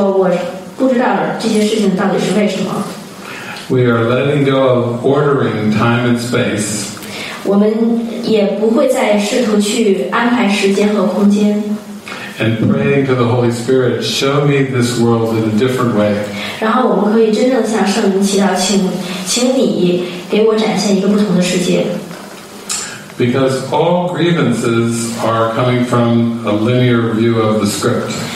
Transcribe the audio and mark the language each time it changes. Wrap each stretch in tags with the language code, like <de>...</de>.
<zh>所以在这种情况下你就可以说我不知道这些事情到底是为什么。</zh> <en>We are letting go of ordering time and space.</en> <zh>我们也不会再试图去安排时间和空间。</zh> <en>And praying to the Holy Spirit, show me this world in a different way.</en> <zh>然后我们可以真正向圣灵祈祷，请你给我展现一个不同的世界。</zh> <en>Because all grievances are coming from a linear view of the script.</en>